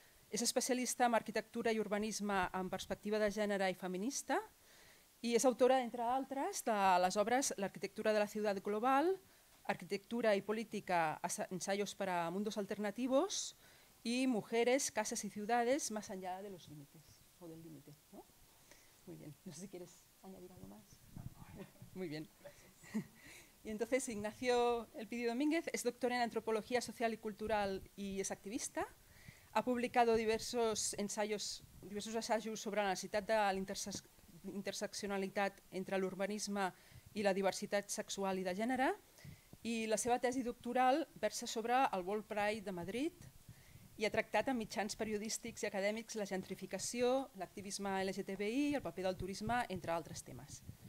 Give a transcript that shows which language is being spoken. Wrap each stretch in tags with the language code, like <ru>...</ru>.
<ca>És especialista en arquitectura i urbanisme amb perspectiva de gènere i feminista, i és autora, entre altres, de les obres L'arquitectura de la ciutat global, Arquitectura i política, ensayos para mundos alternativos i Mujeres, cases y ciudades más allá de los límites.</ca> <es>O del límite, ¿no? Muy bien. No sé si quieres añadir algo más. Muy bien. Y entonces Ignacio Elpidi Domínguez es doctor en antropología social y cultural y es activista.</es> <ca>Ha publicado diversos assajos sobre la necessitat de la interseccionalitat entre l'urbanisme i la diversitat sexual i de gènere, i la seva tesi doctoral versa sobre el World Pride de Madrid i ha tractat amb mitjans periodístics i acadèmics la gentrificació, l'activisme LGTBI i el paper del turisme, entre altres temes.</ca>